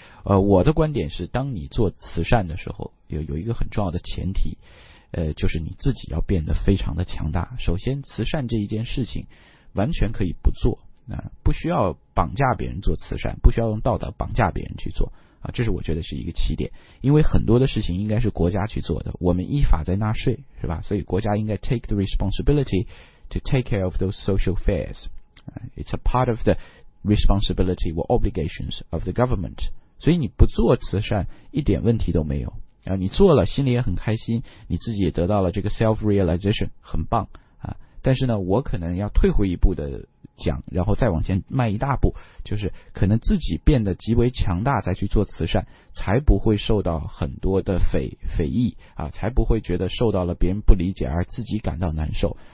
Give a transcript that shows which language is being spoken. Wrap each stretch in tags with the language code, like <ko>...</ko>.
<zh>我的观点是，当你做慈善的时候，有一个很重要的前提，就是你自己要变得非常的强大。首先，慈善这一件事情完全可以不做啊，不需要绑架别人做慈善，不需要用道德绑架别人去做啊，这是我觉得是一个起点。因为很多的事情应该是国家去做的，我们依法在纳税，是吧？</zh> <en>所以国家应该 take the responsibility to take care of those social affairs. It's a part of the responsibility or obligations of the government.</en> <zh>所以你不做慈善一点问题都没有，你做了心里也很开心，你自己也得到了这个 self-realization， 很棒啊。但是呢，我可能要退回一步的讲，然后再往前迈一大步，就是可能自己变得极为强大再去做慈善，才不会受到很多的非议啊，才不会觉得受到了别人不理解而自己感到难受。</zh>